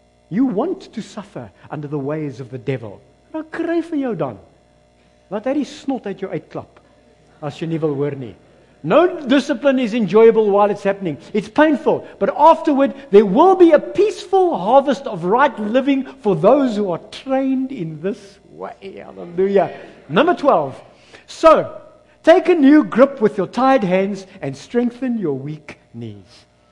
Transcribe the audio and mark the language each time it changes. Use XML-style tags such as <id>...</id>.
<en>You want to suffer under the ways of the devil.</en> <af>Nou kry vir jou dan. Laat hy die snot uit jou uitklap, as jy nie wil hoor nie.</af> <en>No discipline is enjoyable while it's happening. It's painful. But afterward, there will be a peaceful harvest of right living for those who are trained in this way. Hallelujah. Number 12. So, take a new grip with your tired hands and strengthen your weak knees.</en>